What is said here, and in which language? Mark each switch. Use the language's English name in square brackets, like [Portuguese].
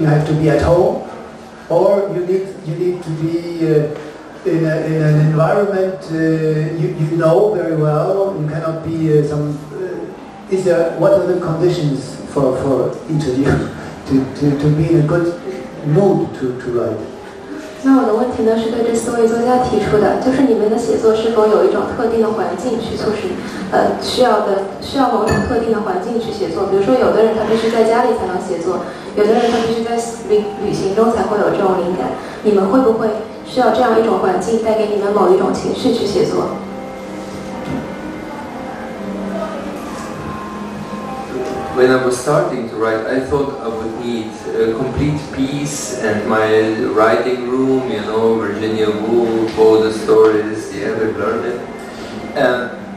[English] You have to be at home, or you need to be in an environment you know very well. You cannot be some. What are the conditions for interview to be in a good mood to write? [Chinese] 那我的问题呢是对这四位作家提出的，就是你们的写作是否有一种特定的环境去促使，需要某种特定的环境去写作？比如说，有的人他必须在家里才能写作，有的人他必须在旅行中才会有这种灵感。你们会不会需要这样一种环境带给你们某一种情绪去写作？ [English] When I was starting to write, I thought I would need a complete peace and my writing room, you know, Virginia Woolf, all the stories, yeah, we've learned it.